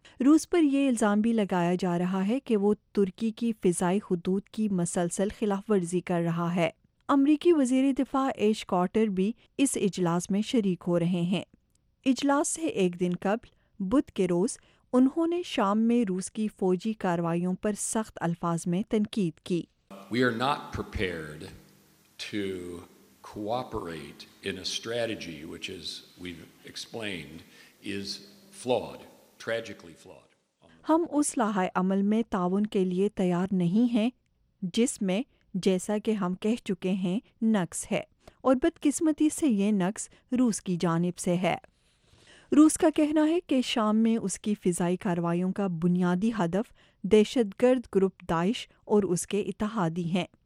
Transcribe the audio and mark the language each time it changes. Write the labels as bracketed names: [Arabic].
[Urdu] روس پر یہ الزام بھی لگایا جا رہا ہے کہ وہ ترکی کی فضائی حدود کی مسلسل خلاف ورزی کر رہا ہے. امریکی وزیر دفاع ایش کارٹر بھی اس اجلاس میں شریک ہو رہے ہیں. اجلاس سے ایک دن قبل بدھ کے روز انہوں نے شام میں روس کی فوجی کاروائیوں پر سخت الفاظ میں تنقید کی. [English] We are not prepared to cooperate in a strategy which, as we've explained, is flawed, tragically flawed. [Urdu] ہم اس لائحہ عمل میں تعاون کے لیے تیار نہیں ہیں جس میں, جیسا کہ ہم کہہ چکے ہیں, نقص ہے, اور بدقسمتی سے یہ نقص روس کی جانب سے ہے. روس کا کہنا ہے کہ شام میں اس کی فضائی کاروائیوں کا بنیادی ہدف دہشت گرد گروپ داعش اور اس کے اتحادی ہیں.